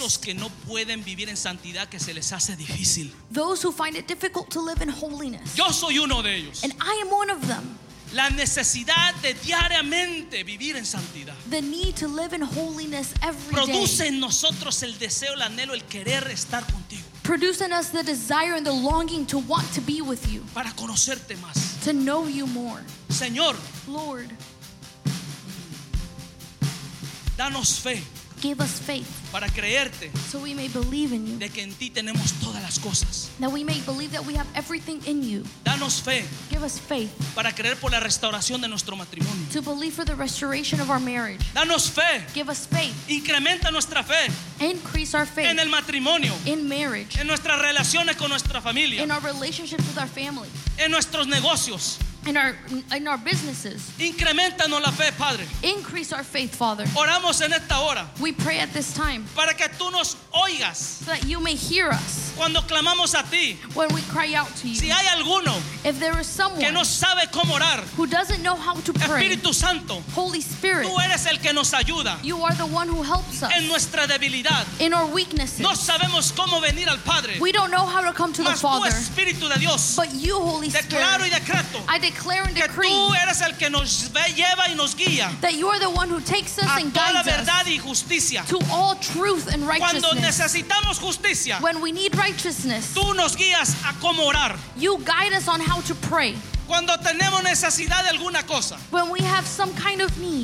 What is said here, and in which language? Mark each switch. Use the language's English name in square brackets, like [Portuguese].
[Spanish] Esos que no pueden vivir en santidad, que se les hace difícil. [English] Those who find it difficult to live in holiness. [Spanish] Yo soy uno de ellos. [English] And I am one of them. [Spanish] La necesidad de diariamente vivir en santidad. [English] The need to live in holiness every day. [Spanish] Produce en nosotros el deseo, el anhelo, el querer estar contigo. [English] Produce in us the desire and the longing to want to be with you. [Spanish] Para conocerte más. [English] To know you more. [Spanish] Señor. [English] Lord. [Spanish] Danos fe. [English] Give us faith. [Spanish] Para creerte. [English] So we may believe in you. [Spanish] De que en ti tenemos todas las cosas. [English] That we may believe that we have everything in you. [Spanish] Danos fe. [English] Give us faith. [Spanish] Para creer por la restauración de nuestro matrimonio. [English] To believe for the restoration of our marriage. [Spanish] Danos fe. [English] Give us faith. [Spanish] Incrementa nuestra fe. [English] Increase our faith. [Spanish] En el matrimonio. [English] In marriage. [Spanish] En nuestras relaciones con nuestra familia. [English] In our relationships with our family. [Spanish] En nuestros negocios. [English] In our businesses. [Spanish] Incrementanos la fe, Padre. [English] Increase our faith, Father. [Spanish] Oramos en esta hora. [English] We pray at this time. [Spanish] Para que tú nos oigas. [English] So that you may hear us. [Spanish] Cuando clamamos a ti. [English] When we cry out to you. [Spanish] Si hay alguno. [English] If there is someone. [Spanish] Que no sabe cómo orar. [English] Who doesn't know how to pray. [Spanish] Espíritu Santo. [English] Holy Spirit. [Spanish] Tú eres el que nos ayuda. [English] You are the one who helps us. [Spanish] En nuestra debilidad. [English] In our weaknesses. [Spanish] No sabemos cómo venir al Padre. [English] We don't know how to come to [Spanish] Mas [English] the Father. [Spanish] Tú, Espíritu de Dios. [English] But you, Holy Spirit. [Spanish] Declaro y decreto. [English] I declare and decree. [Spanish] Que tú eres el que nos ve, lleva y nos guía. [English] That you are the one who takes us and guides us. [Spanish] A toda verdad y justicia. [English] To all truth and righteousness. [Spanish] Cuando necesitamos justicia. [English] When we need righteousness. [Spanish] Tú nos guías a cómo orar. [English] You guide us on how to pray. [Spanish] Cuando tenemos necesidad de alguna cosa. [English] When we have some kind of need.